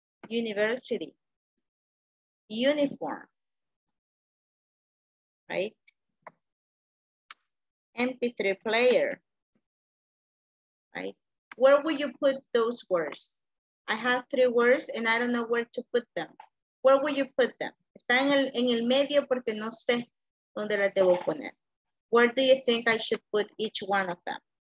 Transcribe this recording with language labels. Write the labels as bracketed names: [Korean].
[English] University, uniform, right? MP3 player, right? Where would you put those words? I have three words and I don't know where to put them. Where would you put them? [Spanish] Está en el medio porque no sé dónde las debo poner. [English] Where do you think I should put each one of them?